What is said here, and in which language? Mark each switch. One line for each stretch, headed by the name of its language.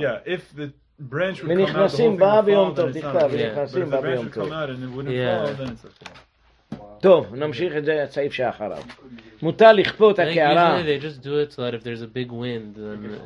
English: Yeah, if the branch would come out the whole thing would fall, then it's not. Yeah. But if the branch would come out and it wouldn't fall, then it's okay.
Hebrew: טוב, נמשיך את זה הצעיף שאחריו. מותר לכפות הקערה.
English: They just do it so that if there's a big wind, then